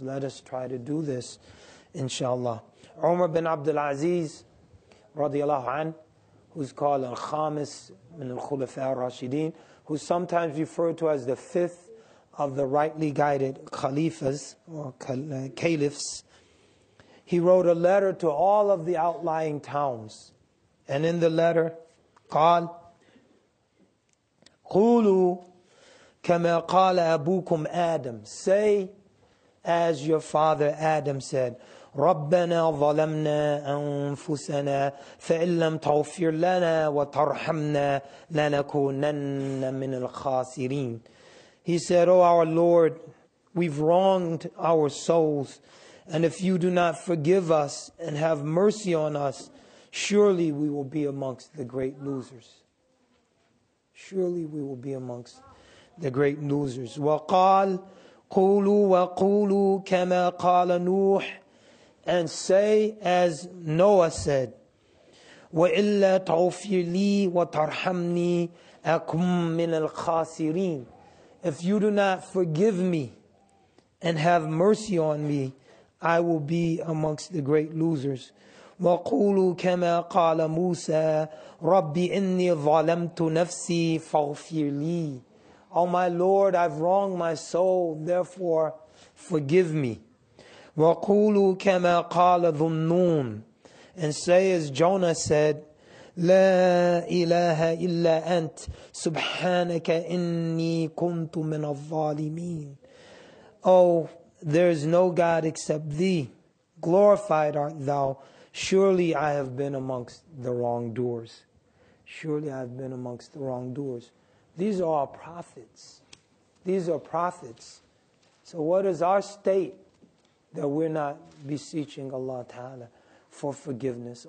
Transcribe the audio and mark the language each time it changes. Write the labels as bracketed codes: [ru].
[en] Let us try to do this, inshallah. Umar bin Abdul Aziz, radiallahu an, who's called al-Khamis min al-Khulafa al-Rashideen, who's sometimes referred to as the fifth of the rightly guided khalifas, or caliphs, he wrote a letter to all of the outlying towns. And in the letter, [ar] قال, قولوا كما قال أبوكم آدم. [en] Say, as your father Adam said, [ar] ربنا ظلمنا أنفسنا فإن لم تغفر لنا وترحمنا لنكونن من الخاسرين. [en] He said, oh our Lord, we've wronged our souls, and if you do not forgive us and have mercy on us, surely we will be amongst the great losers. Surely we will be amongst the great losers. [ar] وقال قولوا وقولوا كما قال نوح. [en] And say as Noah said. [ar] وإلا تغفر لي وترحمني أكم من الخاسرين. [en] If you do not forgive me and have mercy on me, I will be amongst the great losers. [ar] وَقُولُوا كَمَا قَالَ مُوسَى رَبِّ إِنِّي ظَلَمْتُ نَفْسِي فَغْفِرْ لِي. [en] Oh my Lord, I've wronged my soul, therefore forgive me. [ar] وَقُولُوا كَمَا قَالَ ذُنُّون. [en] And say as Jonah said, [ar] لَا إِلَهَ إِلَّا أَنْتْ سُبْحَانَكَ إِنِّي كُنْتُ مِنَ الظَّالِمِينَ. [en] Oh, there is no God except thee. Glorified art thou. Surely I have been amongst the wrongdoers. Surely I have been amongst the wrongdoers. These are all prophets. These are prophets. So what is our state that we're not beseeching Allah Ta'ala for forgiveness?